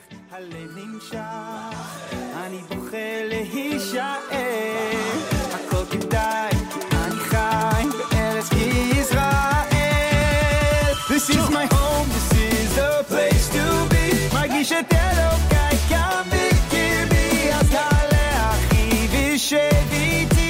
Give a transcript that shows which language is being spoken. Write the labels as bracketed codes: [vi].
[he] הלב נמשך, אני בוכה להישאר. הכל כדאי, אני חי בארץ ישראל. [en] This is my home, this is the place to be. [he] מרגיש את אלוקיי כאן בקרבי, אז תעלה אחי ושב איתי.